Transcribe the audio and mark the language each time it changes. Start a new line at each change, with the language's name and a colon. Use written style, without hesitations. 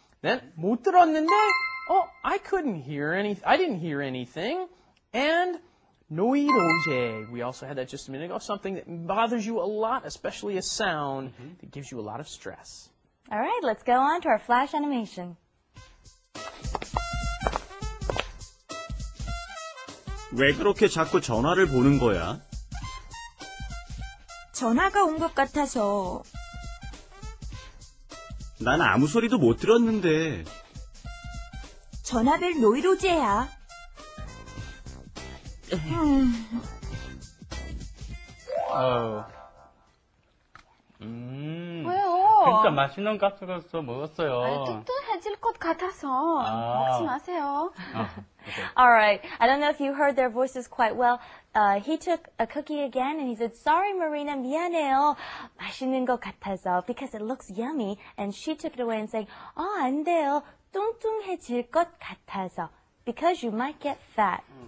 English: Then
Korean: 못 들었는데,
English: oh, I couldn't hear anything. I didn't hear anything. And 노이로제. We also had that just a minute ago. Something that bothers you a lot, especially a sound that gives you a lot of stress. All right, let's go on to our flash animation. Why
Korean: 그렇게 자꾸 전화를 보는 거야? 전화가 온 것 같아서. 난 아무 소리도 못 들었는데. 전화벨 노이로제야. 왜요? 진짜 맛있는 가스가스 먹었어요. 튼튼해질 것 같아서 먹지 마세요.
English: All right. I don't know if you heard their voices quite well. He took a cookie again and he said, sorry, Marina,
Korean: 미안해요. 맛있는 것 같아서
English: because it looks yummy. And she took it away and said,
Korean: 아, 안 돼요. 뚱뚱해질 것 같아서
English: because you might get fat.